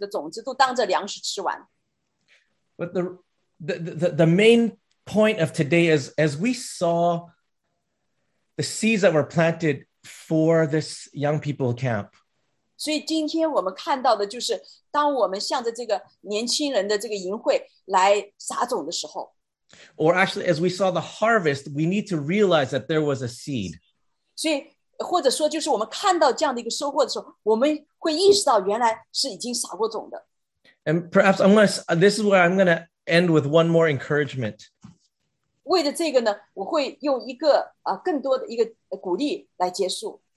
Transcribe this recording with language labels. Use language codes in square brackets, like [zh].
[zh] 我们就是活在这个世代当中，我们知道我们不会把我们的这个所有的该种下去的种子都当着粮食吃完。 [en] But the main point of today is, as we saw the seeds that were planted for this young people camp, [zh] 所以今天我们看到的就是当我们向着这个年轻人的这个营会来撒种的时候， [en] or actually as we saw the harvest, we need to realize that there was a seed. [zh] 所以或者说就是我们看到这样的一个收获的时候，我们会意识到原来是已经撒过种的。 [en] And perhaps this is where I'm going to end with one more encouragement. [zh] 为了这个呢，我会用一个更多的一个鼓励来结束。